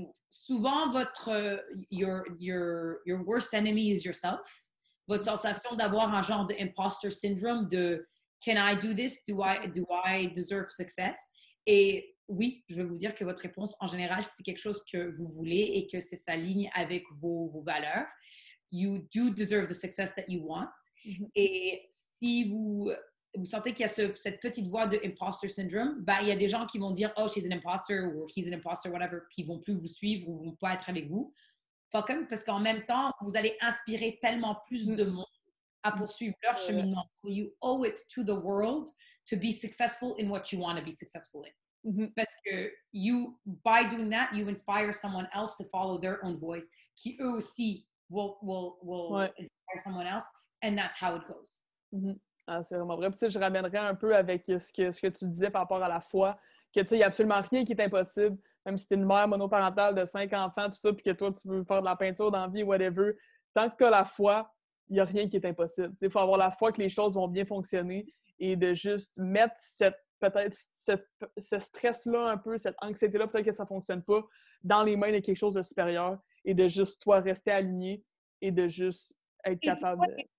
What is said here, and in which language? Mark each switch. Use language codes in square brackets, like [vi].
[fr] Souvent, [en] your worst enemy is yourself. [fr] Votre sensation d'avoir un genre d'imposter syndrome de « [en] Can I do this? Do I deserve success? [fr] » Et oui, je vais vous dire que votre réponse, en général, c'est quelque chose que vous voulez et que c'est s'aligne avec vos valeurs. [en] You do deserve the success that you want. Mm-hmm. [fr] Et si vous sentez qu'il y a cette petite voix de imposter syndrome, ben, il y a des gens qui vont dire « [en] Oh, she's an imposter [fr] » ou « [en] He's an imposter [fr] » whatever, qui ne vont plus vous suivre ou ne vont pas être avec vous. [en] Fuck them, [fr] parce qu'en même temps, vous allez inspirer tellement plus de monde à poursuivre leur cheminement. [en] So you owe it to the world to be successful in what you want to be successful in. Mm-hmm. [fr] Parce que [en] by doing that, you inspire someone else to follow their own voice, [fr] qui eux aussi [en] will inspire someone else, and that's how it goes. [fr] Mm-hmm. Ah, c'est vraiment vrai. Puis, je ramènerais un peu avec ce que tu disais par rapport à la foi, que tu sais, il n'y a absolument rien qui est impossible, même si tu es une mère monoparentale de 5 enfants, tout ça, puis que toi, tu veux faire de la peinture dans la vie, whatever. Tant que tu as la foi, il n'y a rien qui est impossible. Il faut avoir la foi que les choses vont bien fonctionner et de juste mettre ce stress-là un peu, cette anxiété-là, peut-être que ça ne fonctionne pas, dans les mains de quelque chose de supérieur et de juste toi rester aligné et de juste être capable de...